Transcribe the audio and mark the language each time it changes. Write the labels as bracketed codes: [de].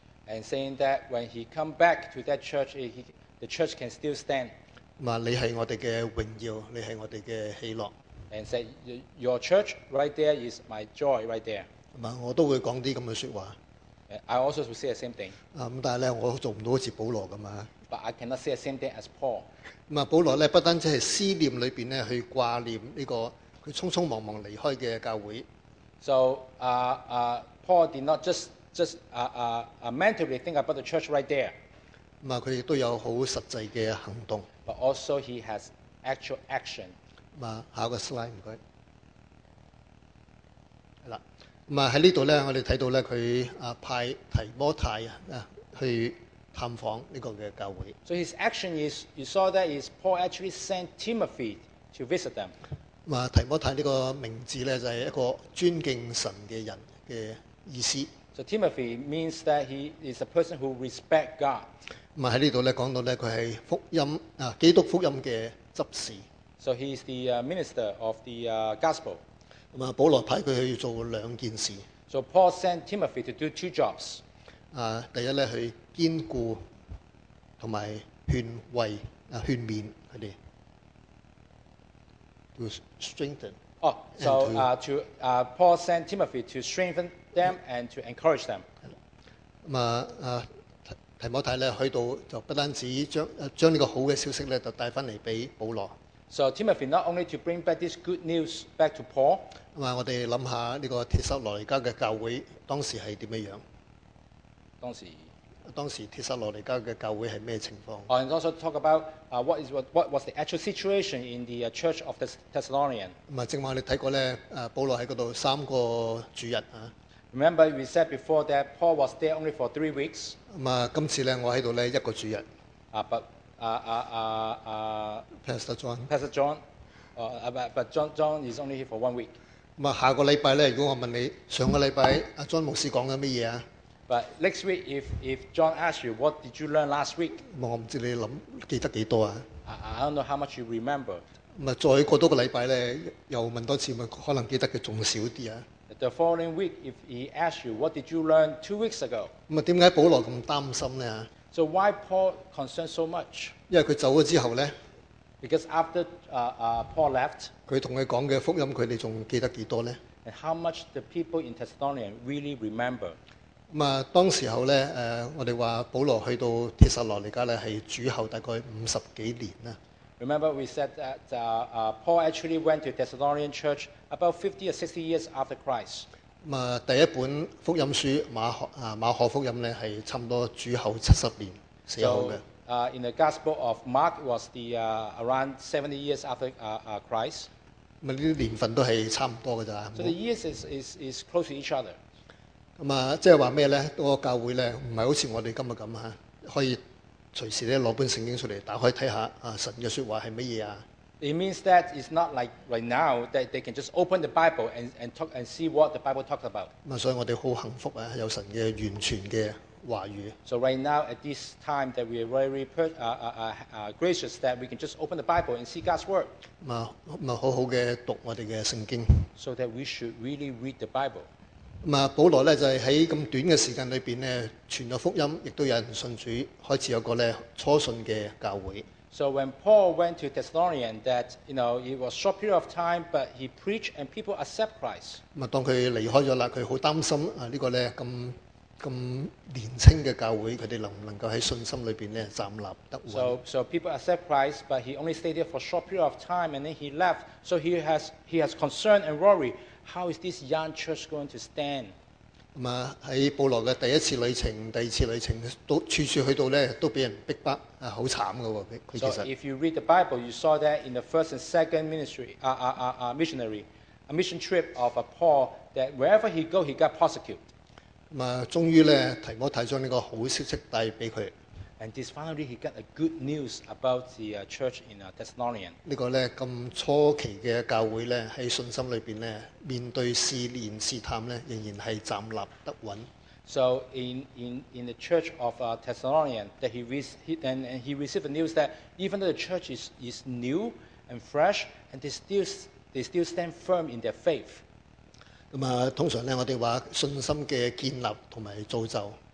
[en] And saying that when he come back to that church, the church can still stand. [yue] 嘛，你係我哋嘅榮耀，你係我哋嘅喜樂。 [en] And say your church right there is my joy right there. [yue] 嘛，我都會講啲咁嘅説話。 [en] I also will say the same thing. [yue] 啊，咁但係咧，我做唔到好似保羅咁啊。 [en] But I cannot say the same thing as Paul. [yue] 嘛，保羅咧不單止係思念裏邊咧去掛念呢個佢匆匆忙忙離開嘅教會。 [en] So, Paul did not mentally think about the church right there. [yue] 嘛，佢亦都有好實際嘅行動。 [en] But also he has actual action. [yue] 嘛，下一個 slide 唔該。係啦，咁啊喺呢度咧，我哋睇到咧佢派提摩太啊去。探訪呢個嘅教會。 [en] So his action is, you saw that is Paul actually sent Timothy to visit them. [yue] 嘛，提摩太呢個名字咧，就係一個尊敬神嘅人嘅意思。 [en] So Timothy means that he is a person who respect God. [yue] 嘛，喺呢度咧講到咧，佢係福音啊，基督福音嘅執事。 [en] So he is the minister of the gospel. [yue] 咁啊，保羅派佢去做兩件事。 [en] So Paul sent Timothy to do two jobs. [yue] 啊，第一咧去。堅固同埋勸慰啊勸勉佢哋 ， [en] to strengthen。哦，所以Paul sent Timothy to strengthen them and to encourage them。係啦， [yue] 咁啊提摩太咧去到就不單止將呢個好嘅消息咧就帶翻嚟俾保羅。 [en] So Timothy not only to bring back this good news back to Paul。 [yue] 咁啊，我哋諗下呢個帖撒羅尼加嘅教會當時係點樣？當時帖撒羅尼加嘅教會係咩情況 [en] ？And also talk about what was the actual situation in the church of the Thessalonian？ [yue] 咁啊，正話你睇過咧，保羅喺嗰度三個主日啊。 [en] Remember we said before that Paul was there only for 3 weeks？ [yue] 咁啊，今次咧我喺度咧一個主日。 [en] Pastor John。 Pastor John， but John is only here for 1 week。 [yue] 咁啊，下個禮拜咧，如果我問你上個禮拜阿John牧師講緊乜嘢啊？ [en] But next week, if John asks you, what did you learn last week? [yue] 我唔知你諗記得幾多啊 [en] ？I don't know how much you remember. [yue] 咪再過多個禮拜咧，又問多次，咪可能記得嘅仲少啲啊 [en] ？The following week, if he asks you, what did you learn 2 weeks ago? [yue] 咪點解保羅咁擔心咧 [en] ？So why Paul concerned so much? [yue] 因為佢走咗之後咧 [en] ，Because after Paul left, [yue] 佢同佢講嘅福音，佢哋仲記得幾多咧 [en] ？And how much the people in Thessalonica really remember? [yue] 咁啊，當時候咧，我哋話保羅去到帖撒羅尼加咧，係主後大概50多年啦。 [en] Remember we said that Paul actually went to Thessalonian church about 50 or 60 years after Christ。 [yue] 咁啊，第一本福音書馬可福音咧，係差唔多主後70年寫好嘅。 [en] In the Gospel of Mark was the around 70 years after Christ。 [yue] 咁啊，呢啲年份都係差唔多嘅咋。 [en] So the years is close to each other。 [yue] 咁啊，即係話咩咧？嗰個教會咧，唔係好似我哋今日咁嚇，可以隨時咧攞本聖經出嚟打開睇下啊，神嘅説話係乜嘢啊 [en] ？It means that it's not like right now that they can just open the Bible and talk and see what the Bible talks about。 [yue] 咁啊，所以我哋好幸福啊，有神嘅完全嘅話語。 [en] So right now at this time that we are very gracious that we can just open the Bible and see God's word。 [yue] 咁啊，好好嘅讀我哋嘅聖經。 [en] So that we should really read the Bible。 [yue] 保羅咧就係喺咁短嘅時間裏邊咧傳咗福音，亦都有人信主，開始有個咧初信嘅教會。 [en] So when Paul went to Thessalonian, that you know it was a short period of time, but he preached and people accept Christ. [yue] 咁啊，當佢離開咗啦，佢好擔心啊呢個咧咁年青嘅教會，佢哋能唔能夠喺信心裏邊咧站立得穩 [en] ？So people accept Christ, but he only stayed there for a short period of time, and then he left. So he has concern and worry. How is this young church going to stand? [yue] 喺保罗嘅第一次旅程、第二次旅程，都处处去到咧，都俾人逼迫，啊，好惨噶喎！佢其实。 [en] So if you read the Bible, you saw that in the first and second ministry, a mission trip of a Paul, that wherever he go, he got persecuted. [yue] 咁啊，终于咧，提摩太将呢个好消息带俾佢。 [en] And this finally, he got a good news about the church in Thessalonians. [yue] 呢个咧咁初期嘅教会咧，喺信心里边咧，面对试炼试探咧，仍然系站立得稳。 [en] So in the church of Thessalonians, that he received the news that even though the church is new and fresh, and they still stand firm in their faith. [yue] 咁啊，通常咧，我哋话信心嘅建立同埋造就。